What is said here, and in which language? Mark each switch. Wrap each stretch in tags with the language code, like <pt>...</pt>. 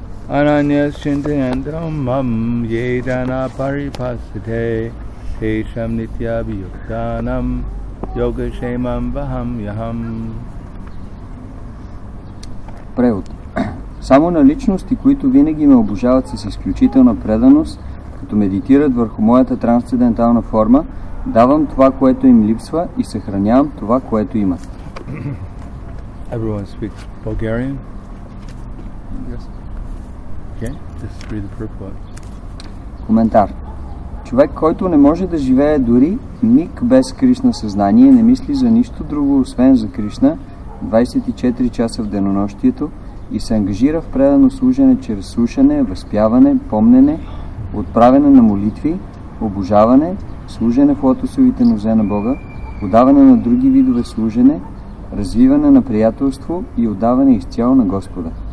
<sa>Ananyas chintayantam mam yedana paripasate tesham nityabhiyuktanam yogashemam vaham yaham.</sa> <bg>Превод. Само на личности, които винаги ме обожават с изключителна преданост, като медитират върху моята трансцендентална форма, давам това, което им липсва и съхранявам това, което имат.</bg> <en>Everyone speaks Bulgarian? Yes. Okay, this is the purport.</en> <bg>Коментар. Човек, който не може да живее дори миг без Кришна съзнание, не мисли за нищо друго, освен за Кришна, 24 часа в денонощието и се ангажира в предано служене чрез слушане, възпяване, помнене, отправяне на молитви, обожаване, служене в лотосовите нозе на Бога, подаване на други видове служене, развиване на приятелство и отдаване изцяло на Господа.</bg>